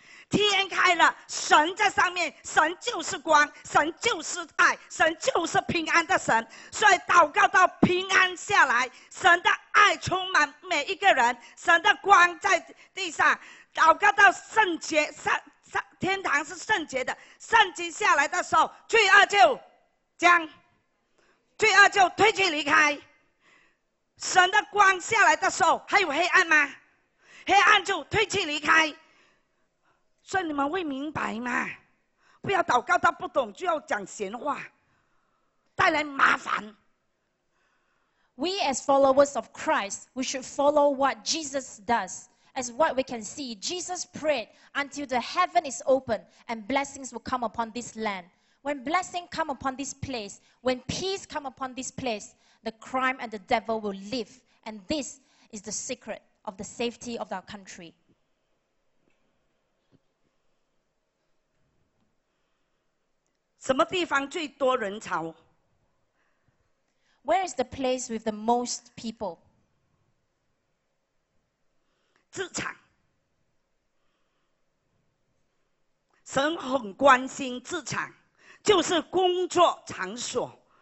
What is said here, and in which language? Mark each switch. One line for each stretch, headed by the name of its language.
Chinese: 天开了, 神在上面, 神就是光, 神就是爱, 神就是平安的神, 所以祷告到平安下来, 神的爱充满每一个人, 神的光在地上, 祷告到圣洁, 天堂是圣洁的, 圣经下来的时候, 罪恶就将, 罪恶就退去离开, 神的光下来的时候, 还有黑暗吗? 黑暗就退去离开, 所以你们会明白吗? 不要祷告到不懂, 就要讲闲话, 带来麻烦。
English: We as followers of Christ, we should follow what Jesus does. As what we can see, Jesus prayed until the heaven is open and blessings will come upon this land. When blessing come upon this place, when peace come upon this place, the crime and the devil will leave. And this is the secret of the safety of our country.
Chinese: 什么地方最多人潮?
English: Where is the place with the most people?
Chinese: 职场，神很关心职场，就是工作场所。